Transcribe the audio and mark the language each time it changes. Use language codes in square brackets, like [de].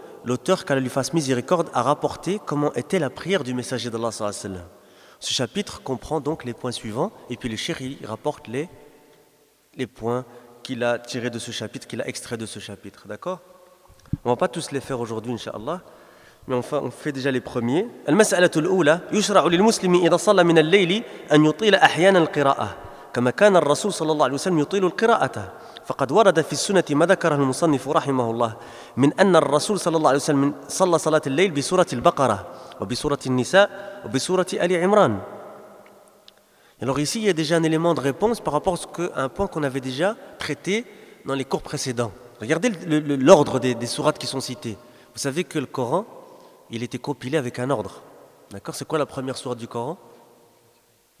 [fr] L'auteur, qu'Allah lui fasse miséricorde, a rapporté comment était la prière du messager d'Allah sallallahu alayhi wa sallam. Ce chapitre comprend donc les points suivants et puis le chéri rapporte les points qu'il a tirés de ce chapitre, qu'il a extraits de ce chapitre. D'accord ? On ne va pas tous les faire aujourd'hui, Inch'Allah. Mais enfin, on fait déjà les premiers. [ar] المسألة الأولى يشرع للمسلم إذا صلى من الليل أن يطيل أحيانا القراءة كما كان الرسول صلى الله عليه وسلم يطيل القراءة فقد ورد في السنة ما ذكره المصنف رحمه الله من أن الرسول صلى الله عليه وسلم صلى صلاة الليل بسورة البقرة وبسورة النساء وبسورة آل عمران. [fr] Alors ici, il y a déjà un élément de réponse par rapport à un point qu'on avait déjà traité dans les cours précédents. Regardez l'ordre des sourates qui sont citées. Vous savez que le Coran, il était compilé avec un ordre. D'accord ? C'est quoi la première sourate du Coran ?